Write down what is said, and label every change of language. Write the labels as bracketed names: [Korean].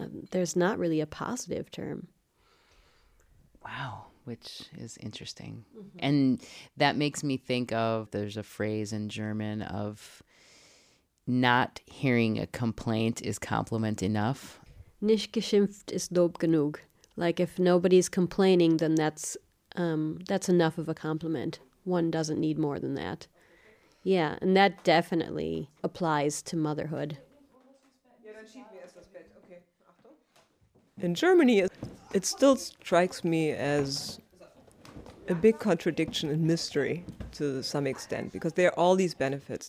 [English] There's not really a positive term. Wow, which is interesting. Mm-hmm. And that makes me think of, there's a phrase in German of not hearing a complaint is compliment enough. [German] Nicht geschimpft ist Lob genug. [English] Like if nobody's complaining, then that's enough of a compliment. One doesn't need more than that. Yeah, and that definitely applies to motherhood. In Germany, it still strikes me as a big contradiction and mystery to some extent, because there are all these benefits.